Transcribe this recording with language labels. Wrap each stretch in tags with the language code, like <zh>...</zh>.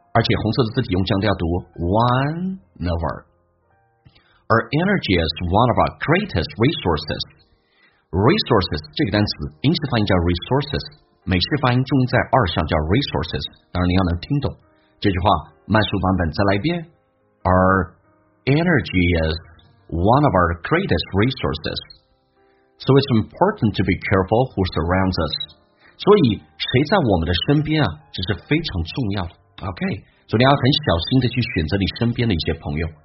<zh>而且红色的字体用降调读</zh> <en>one of our， our energy is one of our greatest resources。</en> <zh>resources 这个单词英式发音叫 resources， 美式发音重在二上叫 resources。当然你要能听懂这句话，慢速版本再来一遍。</zh> <en>our energy is one of our greatest resources， so it's important to be careful who surrounds us。</en> <zh>所以谁在我们的身边啊，这是非常重要的。 OK。所以你要很小心的去选择你身边的一些朋友。</zh>